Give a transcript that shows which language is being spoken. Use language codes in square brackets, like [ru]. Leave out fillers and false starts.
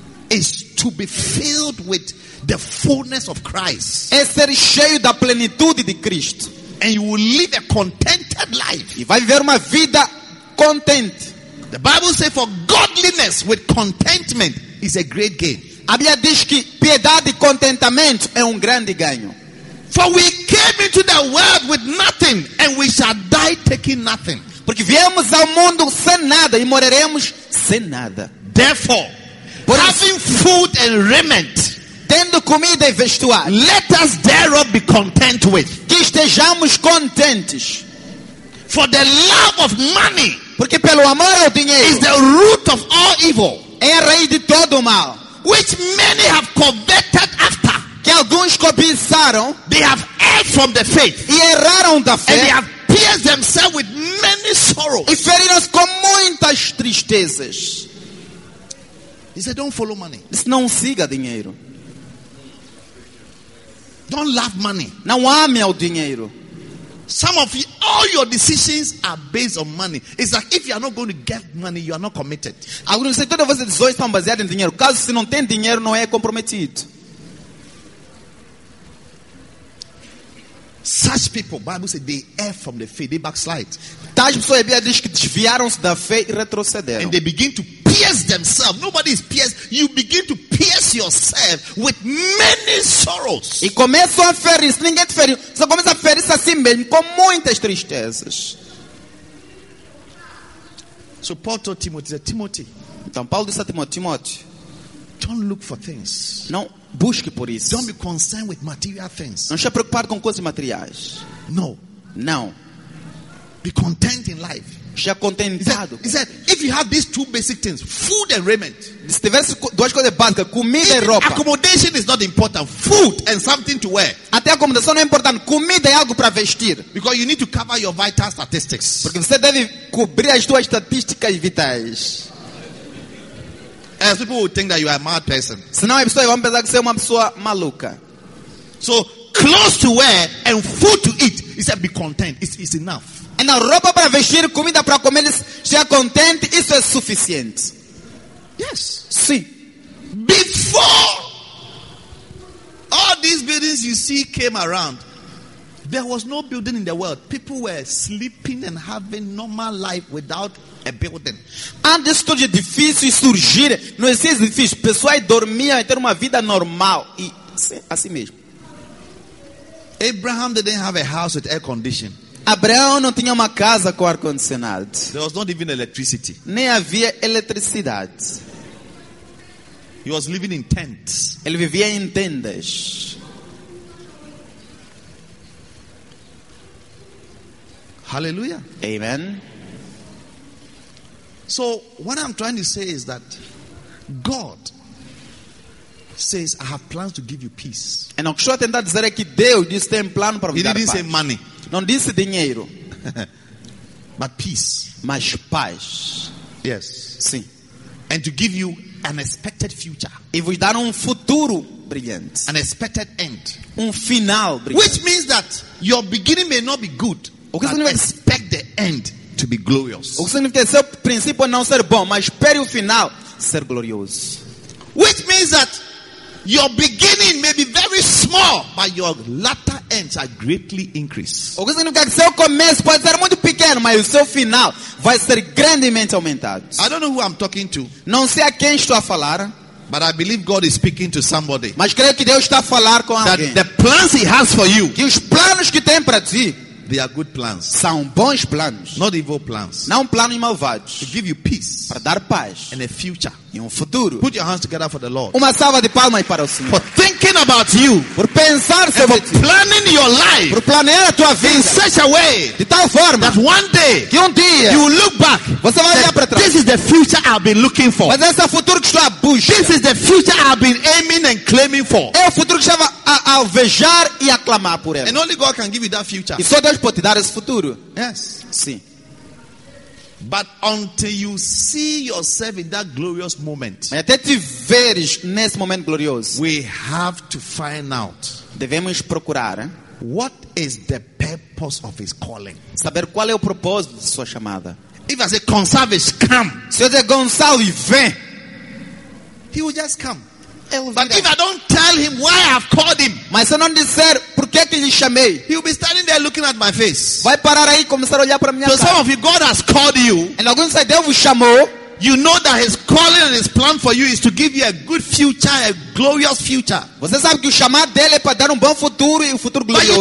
[en] is to be filled with the fullness of Christ. [pt] É ser cheio da plenitude de Cristo. [en] And you will live a contented life. [pt] E vai viver uma vida content. [en] The Bible says for godliness with contentment is a great gain. [pt] A Bíblia diz que piedade e contentamento é grande ganho. [en] For we came into the world with nothing and we shall die taking nothing. [pt] Porque viemos ao mundo sem nada e moraremos sem nada. [en] Therefore, having food and raiment, [pt] tendo comida e vestuário. [en] Let us thereof be content with. [pt] Que estejamos contentes. [en] For the love of money, [pt] porque pelo amor ao dinheiro, [en] is the root of all evil. [pt] É a raiz de todo mal. [en] Which many have coveted after. [pt] Que alguns cobiçaram. [en] They have erred from the faith. [pt] E erraram da fé. [en] And they have pierced themselves with many sorrows. [pt] E feriram-se com muitas tristezas. [en] He said, don't follow money. [pt] Disse, não siga dinheiro. [en] Don't love money. [pt] Não ame ao dinheiro. [en] Some of you, all your decisions are based on money. It's like if you are not going to get money, you are not committed. [pt] Alguns dizem, todas as suas decisões estão baseadas em dinheiro. Caso se não tem dinheiro, não é comprometido. [en] Such people, Bible says, they err from the faith, they backslide. [pt] Tais pessoas, a Bíblia diz que desviaram-se da fé e retrocederam. [en] And they begin to pierce themselves. Nobody is pierced. You begin to pierce yourself with many sorrows. [pt] E começam a ferir-se. Ninguém te feriu. Só começa a ferir-se assim mesmo, com muitas tristezas. [en] So Paul told Timothy, Timothy. [pt] Então Paulo disse a Timóteo, Timóteo. [en] Don't look for things. [pt] Não busque por isso. [en] Don't be concerned with material things. [pt] Não se preocupe com coisas materiais. [en] No. [pt] Não. [en] Be content in life. [pt] Seja contentado. [en] He said, if you have these two basic things, food and raiment. [pt] Se tivesse duas coisas básicas, comida e roupa. [en] Accommodation is not important. Food and something to wear. [pt] Até a acomodação não é importante. Comida e algo para vestir. [en] Because you need to cover your vital statistics. [pt] Porque você deve cobrir as suas estatísticas vitais. [en] As people will think that you are a mad person. [pt] Senão a pessoa vai pensar que você é uma pessoa maluca. [en] So, clothes to wear and food to eat. He said, be content. It's enough. [pt] E na roupa para vestir, comida para comer, seja contente, isso é suficiente. [en] Yes. [pt] Sim. [en] Before all these buildings you see came around, there was no building in the world. People were sleeping and having normal life without a building. [pt] Antes tudo difícil surgir, não existia edifício. Pessoas dormiam e ter uma vida normal. E sim, assim mesmo. [en] Abraham didn't have a house with air conditioning. [pt] Abraão não tinha uma casa com ar-condicionado. [en] There was not even electricity. [pt] Nem havia eletricidade. [en] He was living in tents. [pt] Ele vivia em tendas. Hallelujah. Amen. [en] So, what I'm trying to say is that God says, I have plans to give you peace. [pt] E não estou a tentar dizer que Deus diz tem plano para vos dar paz. [en] Say money. [pt] Não disse dinheiro. [en] But peace. [pt] Mas paz. [en] Yes. [pt] Sim. [en] And to give you an expected future. [pt] E vos dar futuro brilhante. [en] An expected end. [pt] Final brilhante. [en] Which means that your beginning may not be good. [pt] O que significa? [en] Expect the end to be glorious. [pt] O que significa? Seu princípio não ser bom, mas espere o final ser glorioso. [en] Which means that your beginning may be very small, but your latter ends are greatly increased. [pt] O que significa que seu começo pode ser muito pequeno, mas o seu final vai ser grandemente aumentado. [en] I don't know who I'm talking to. [pt] Não sei a quem estou a falar. [en] But I believe God is speaking to somebody. [pt] Mas creio que Deus está a falar com alguém. [en] That the plans He has for you. [pt] Que os planos que tem para ti. [en] They are good plans. [pt] São bons planos. [en] Not evil plans. [pt] Não planos malvados. [en] To give you peace. [pt] Para dar paz. [en] And a future. [pt] E futuro. [en] Put your hands together for the Lord. [pt] Uma salva de palmas para o Senhor. [en] For thinking about you. [pt] Por pensar sobre ti. [en] For planning your life. [pt] Por planear a tua vida. [en] In such a way. [pt] De tal forma. [en] That one day. [pt] Que dia. [en] You will look back. [pt] Você vai olhar para trás. [en] This is the future I've been looking for. [pt] Mas esse é o futuro que estou a buscar. [en] This is the future I've been aiming and claiming for. [pt] É o futuro que estava a alvejar e a clamar por ele. [en] And only God can give you that future. [pt] E só Deus pode te dar esse futuro. [en] Yes. [pt] Sim. [en] But until you see yourself in that glorious moment, [pt] até te veres nesse momento glorioso, [en] we have to find out. [pt] Devemos procurar. [en] What is the purpose of His calling? [pt] Saber qual é o propósito de sua chamada. [en] If I say Gonçalves, come. [pt] Se eu dizer Gonçalves, vem. [en] He will just come. [pt] Ele [en] but if I don't tell him why I've called him, [pt] mas se eu não disser por que lhe chamei, [en] he will be standing there looking at my face. [pt] Vai parar aí, começar a olhar para minha [en] so [pt] cara. [en] So some of you, God has called you. [pt] And alguns dizem, Deus o chamou. [en] You know that His calling and His plan for you is to give you a good future, a glorious future. [pt] Você sabe que o chamado dele é para dar bom futuro e futuro glorioso.